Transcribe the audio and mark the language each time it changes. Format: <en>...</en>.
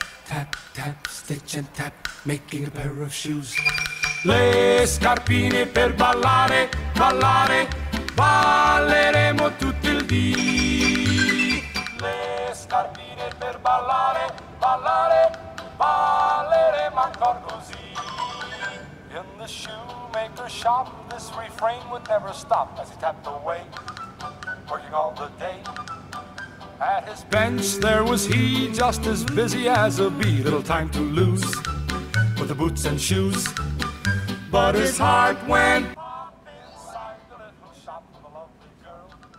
<en>And tap, making a pair of shoes.</en> <it>Le scarpine per ballare, ballare, balleremo tutto il dì. Le scarpine per ballare, ballare, balleremo ancora così.</it> <en>In the shoemaker shop, this refrain would never stop as he tapped away, working all the day. At his bench there was he, just as busy as a bee. Little time to lose with the boots and shoes, but his heart went pop inside the little shop of a lovely girl.</en>